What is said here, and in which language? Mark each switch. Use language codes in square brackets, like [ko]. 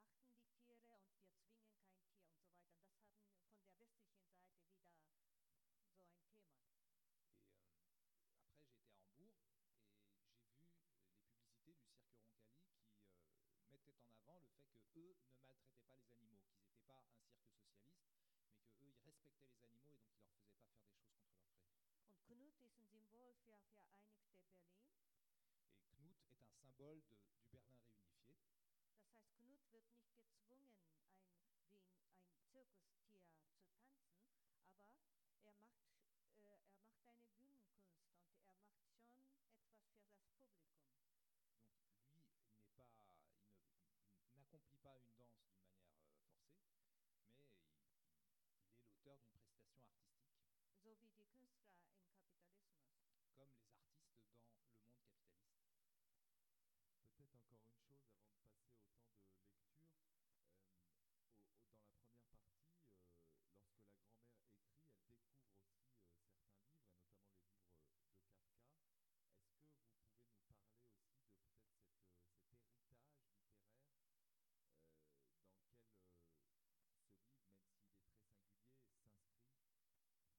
[de] Wir achten die Tiere und wir zwingen kein Tier und so weiter. Und das haben von der westlichen Seite wieder so ein Thema. [fr] Et après, j'ai été à Hambourg et j'ai vu les publicités du Cirque Roncalli qui mettaient en avant le fait qu'eux ne maltraitaient pas les animaux, qu'ils n'étaient pas un cirque socialiste, mais qu'eux, ils respectaient les animaux et donc ils ne leur faisaient pas faire des choses contre leur gré. [de] Und Knut ist ein Symbol für Vereinigte Berlin. [fr] Et Knut est un symbole de, du Berlin réunifié. [de] Das heißt, Knut wird nicht gezwungen, ein, wie ein Zirkustier zu tanzen, aber er macht eine Bühnenkunst und er macht schon etwas für das Publikum. [fr] Donc lui, n'accomplit pas une danse d'une manière forcée, mais il est l'auteur d'une prestation artistique. s'inscrit?